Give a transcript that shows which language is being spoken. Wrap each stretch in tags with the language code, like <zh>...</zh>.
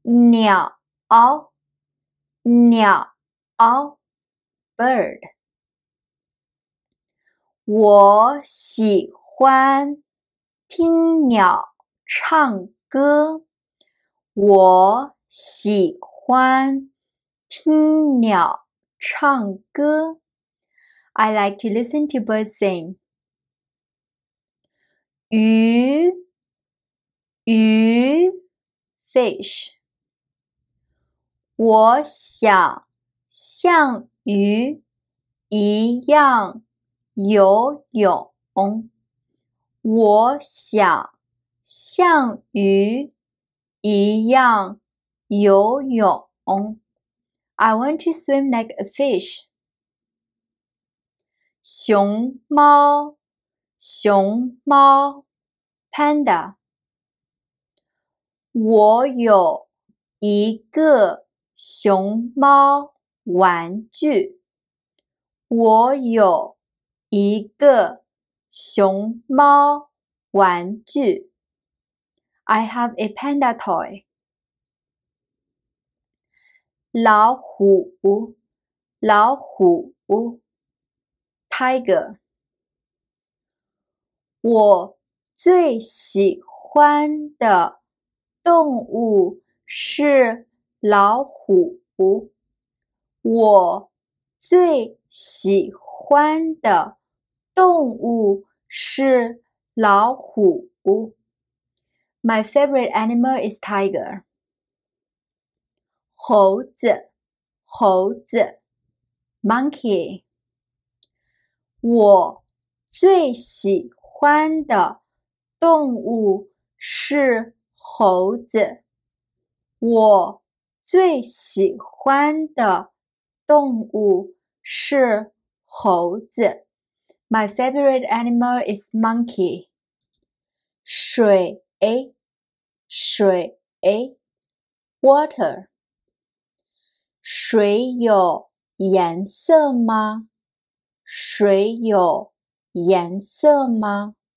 <zh>鸟哦，鸟哦</zh> <en>，bird.</en> <zh>我喜欢听鸟唱歌，我喜欢。听鸟唱歌</zh> <en>I like to listen to birds sing.</en> <zh>鱼鱼</zh> <en>fish</en> <zh>我想像鱼一样游泳我想像鱼一样游泳</zh> <en>I want to swim like a fish.</en> <zh>熊猫，熊猫</zh> <en>panda.</en> <zh>我有一个熊猫玩具。我有一个熊猫玩具。</zh> <en>I have a panda toy.</en> <zh>老虎，老虎</zh> <en>，tiger。</en> <zh>我最喜欢的动物是老虎。我最喜欢的动物是老虎。</zh> <en>My favorite animal is tiger.</en> <zh>猴子，猴子</zh> <en>，monkey。</en> <zh>我最喜欢的动物是猴子。我最喜欢的动物是猴子。</zh> <en>My favorite animal is monkey.</en> <zh>水，水</zh> <en>，water。</en> <zh>水有颜色吗？水有颜色吗</zh>